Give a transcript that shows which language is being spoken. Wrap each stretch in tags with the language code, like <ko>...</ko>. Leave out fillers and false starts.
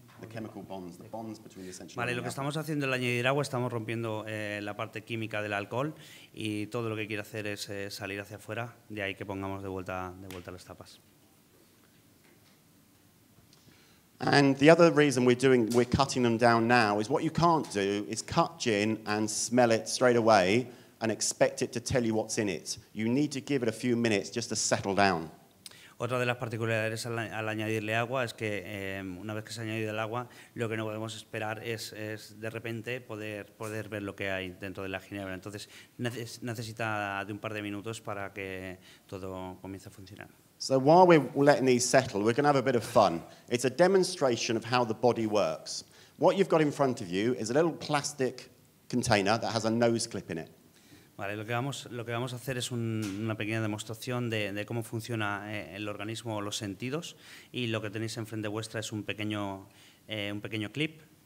<es>Vale, lo que estamos haciendo es añadir agua, estamos rompiendo la parte química del alcohol y todo lo que quiere hacer es salir hacia afuera, de ahí que pongamos de vuelta las tapas.</es> <en>And the other reason we're cutting them down now is what you can't do is cut gin and smell it straight away and expect it to tell you what's in it. You need to give it a few minutes just to settle down.</en> <es>Otra de las particularidades al añadirle agua es que una vez que se ha añadido el agua, lo que no podemos esperar es de repente poder ver lo que hay dentro de la ginebra. Entonces necesita de un par de minutos para que todo comience a funcionar.</es> <en>So while we're letting these settle, we're going to have a bit of fun. It's a demonstration of how the body works. What you've got in front of you is a little plastic container that has a nose clip in it.</en> <es>Vale, lo que vamos a hacer es una pequeña demostración de cómo funciona el organismo o los sentidos. Y lo que tenéis enfrente vuestra es un pequeño clip.</es>